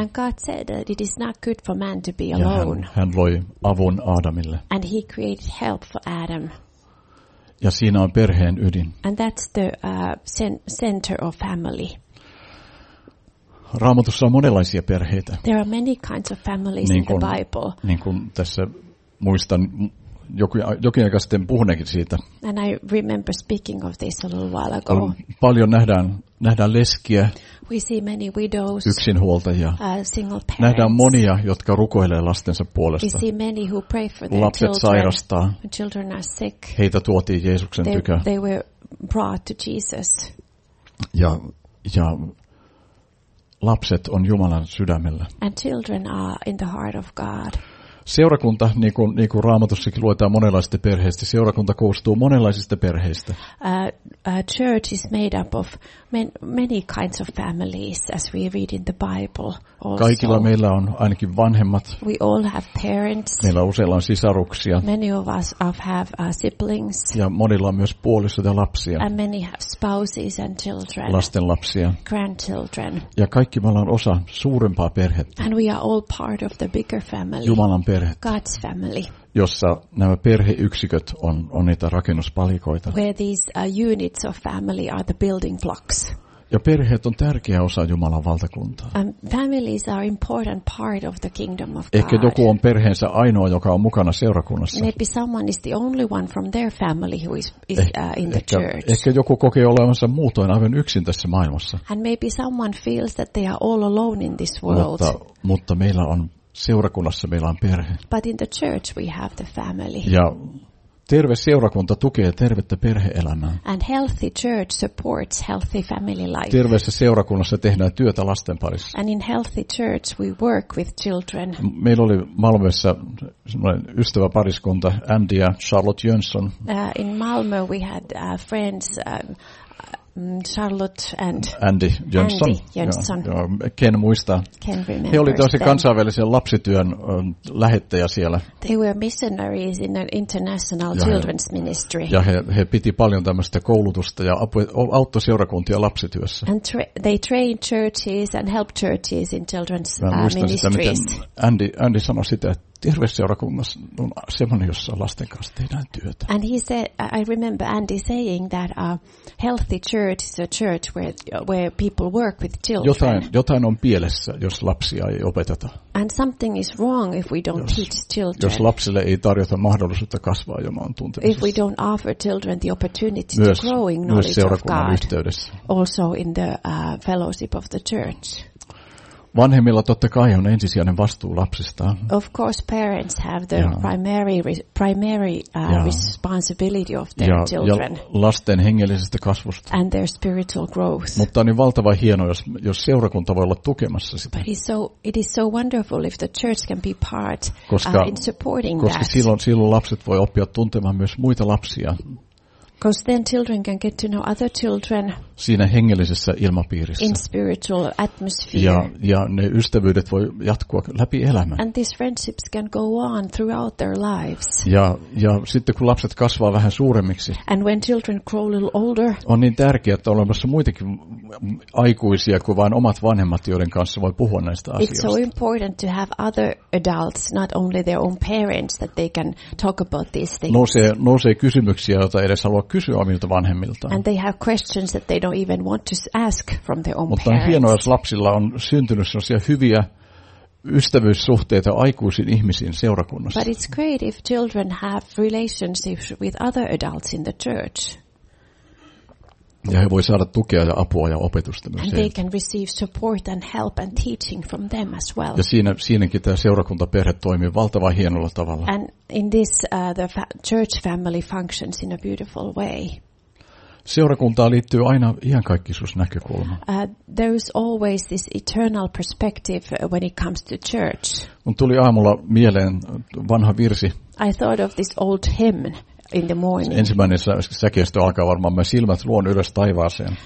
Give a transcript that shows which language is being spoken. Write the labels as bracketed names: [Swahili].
[English] And God said that it is not good for man to be alone. [Finnish] Hän loi avun Adamille. [English] And he created help for Adam. [Finnish] Ja siinä on perheen ydin. [English] And that's the center of family. [Finnish] Raamatussa on monenlaisia perheitä. [English] There are many kinds of families [Finnish] niin [English] in the Bible. [Finnish] Niin kuin tässä muistan jokin aika sitten puhuneekin siitä. [English] And I remember speaking of this a little while ago. [Finnish] Paljon nähdään leskiä. [English] We see many widows. [Finnish] Yksinhuoltajia. [English] Single parents. [Finnish] Nähdään monia, jotka rukoilee lastensa puolesta. [English] We see many who pray for their children. [Finnish] Lapset sairastaa. [English] Children are sick. [Finnish] Heitä tuotiin Jeesuksen tykö. [English] They were brought to Jesus. [Finnish] Ja lapset on Jumalan sydämellä. [English] And children are in the heart of God. [Finnish] Seurakunta, niin kuin Raamatussakin luetaan monenlaisista perheistä, seurakunta koostuu monenlaisista perheistä. [English] Church is made up of many kinds of families, as we read in the Bible also. [Finnish] Kaikilla meillä on ainakin vanhemmat. [English] We all have parents. [Finnish] Meillä useilla on sisaruksia. [English] Many of us have siblings. [Finnish] Ja monilla on myös puolisot ja lapsia. [English] And many have spouses and children. [Finnish] Lasten lapsia. [English] Grandchildren. [Finnish] Ja kaikki me ollaan osa suurempaa perhettä. [English] And we are all part of the bigger family. [Finnish] Jumalan perhettä. perhettä. [English] God's family. [Finnish] Jossa nämä perheyksiköt on niitä rakennuspalikoita. [English] Where these units of family are the building blocks. [Finnish] Ja perheet on tärkeä osa Jumalan valtakuntaa. [English] Families are important part of the kingdom of God. [Finnish] Ehkä joku on perheensä ainoa, joka on mukana seurakunnassa. [English] Maybe someone is the only one from their family who is in the church. [Finnish] Ehkä joku kokee olevansa muutoin aivan yksin tässä maailmassa. [English] And maybe someone feels that they are all alone in this world. [Finnish] Mutta meillä on seurakunnassa meillä on perhe. [English] But in the church we have the family. [Finnish] Ja terve seurakunta tukee tervettä perhe-elämää. [English] And healthy church supports healthy family life. [Finnish] Terveessä seurakunnassa tehdään työtä lasten parissa. [English] And in healthy church we work with children. [Finnish] Meillä oli Malmössä semmoinen ystäväpariskunta, Andy ja Charlotte Jönsson. [English] In Malmö we had friends Charlotte and Andy Jönsson. [Finnish] Ken muistaa. He oli tosi kansainvälisen lapsityön lähettäjä siellä. [English] They were missionaries in an international children's ministry. [Finnish] Ja he piti paljon tämmöistä koulutusta ja auttoi seurakuntia lapsityössä. [English] And they trained churches and helped churches in children's ministries. [Finnish] Andy sanoi sitä, että terve seurakunnassa on semmoinen, jossa lasten kanssa tehdään työtä. [English] And he said, I remember Andy saying that a healthy church is a church where people work with children. [Finnish] Jotain on pielessä, jos lapsia ei opeteta. [English] And something is wrong if we don't teach children. [Finnish] Jos lapsille ei tarjota mahdollisuutta kasvaa Jumalan tuntemisessa. [English] If we don't offer children the opportunity to growing knowledge of God. [Finnish] Yhteydessä. [English] Also in the fellowship of the church. [Finnish] Vanhemmilla totta kai on ensisijainen vastuu lapsistaan. [English] Of course parents have the primary responsibility of their children. [Finnish] Ja lasten hengellisestä kasvusta. [English] And their spiritual growth. [Finnish] Mutta on niin valtava hieno, jos seurakunta voi olla tukemassa sitä. [English] But it is so wonderful if the church can be part in supporting [Finnish] koska [English] that. [Finnish] Koska silloin lapset voi oppia tuntemaan myös muita lapsia. [English] Because then children can get to know other children. [Finnish] Siinä hengellisessä ilmapiirissä. [English] In spiritual atmosphere. [Finnish] Ja ne ystävyydet voi jatkua läpi elämän. [English] And these friendships can go on throughout their lives. [Finnish] Ja sitten kun lapset kasvaa vähän suuremmiksi. [English] And when children grow a little older. [Finnish] On niin tärkeää, että on olemassa muitakin aikuisia kuin vain omat vanhemmat, joiden kanssa voi puhua näistä asioista. [English] It's so important to have other adults, not only their own parents, that they can talk about these things. [Finnish] Nousee kysymyksiä, joita edes haluaa kysyä omilta vanhemmiltaan. [English] And they have questions that they don't even want to ask from their own parents. [Finnish] Mutta on hienoa, jos lapsilla on syntynyt sellaisia hyviä ystävyyssuhteita aikuisiin ihmisiin seurakunnassa. [English] But it's great if children have relationships with other adults in the church. [Finnish] Ja he voi saada tukea ja apua ja opetusta myös. [English] And they can receive support and help and teaching from them as well. [Finnish] Ja siinäkin tämä seurakuntaperhe toimii valtavan hienolla tavalla. [English] And in this the church family functions in a beautiful way. [Finnish] Seurakuntaan liittyy aina iankaikkisuusnäkökulma. [English] There is always this eternal perspective when it comes to church. [Finnish] Mun tuli aamulla mieleen vanha virsi. [English] I thought of this old hymn in the morning. [Finnish] Ensimmäinen säkeistö alkaa varmaan, mä silmät luon ylös taivaaseen.